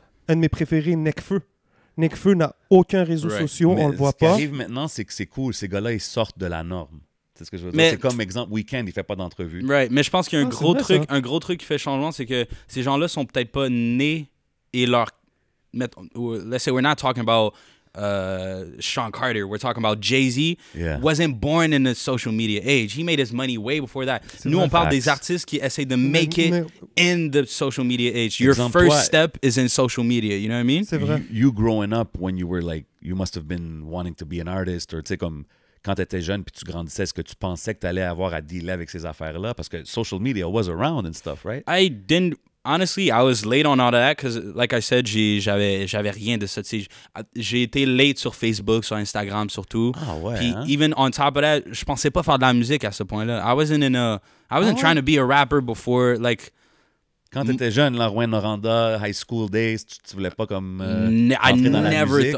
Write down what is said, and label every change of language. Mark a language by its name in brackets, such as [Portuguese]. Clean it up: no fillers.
[French] Un de mes préférés, Nekfeu. Nekfeu n'a aucun réseau social, on le voit pas. Ce qui arrive maintenant, c'est que c'est cool. Ces gars-là, ils sortent de la norme. C'est ce que je veux dire. C'est comme exemple, Weeknd, il fait pas d'entrevue. [English] Right. [French] Mais je pense qu'il y a un gros truc qui fait changement, c'est que ces gens-là sont peut-être pas nés et leur... [English] Let's say, we're not talking about Sean Carter. We're talking about Jay-Z. Yeah. Wasn't born in the social media age. He made his money way before that. [French] C'est nous, on parle des artistes qui essayent de [English] make it in the social media age. [French] Your exemple, [English] first step is in social media. You know what I mean? [French] C'est vrai. [English] You growing up, when you were like, you must have been wanting to be an artist, or [French] tu sais, comme quand t'étais jeune puis tu grandissais, est-ce que tu pensais que t'allais avoir à dealer avec ces affaires-là? [English] Parce que social media was around and stuff, right? I didn't. Honestly, I was late on all that because, like I said, [French] j'avais rien de ça. J'ai été late sur Facebook, sur Instagram surtout. Ah ouais. Puis hein? [English] Even on top of that, [French] je pensais pas faire de la musique à ce point-là. [English] I wasn't trying to be a rapper before. Like, [French] quand t'étais jeune, là, Rouyn Noranda, [English] high school days, [French] tu voulais pas comme entrer dans la musique?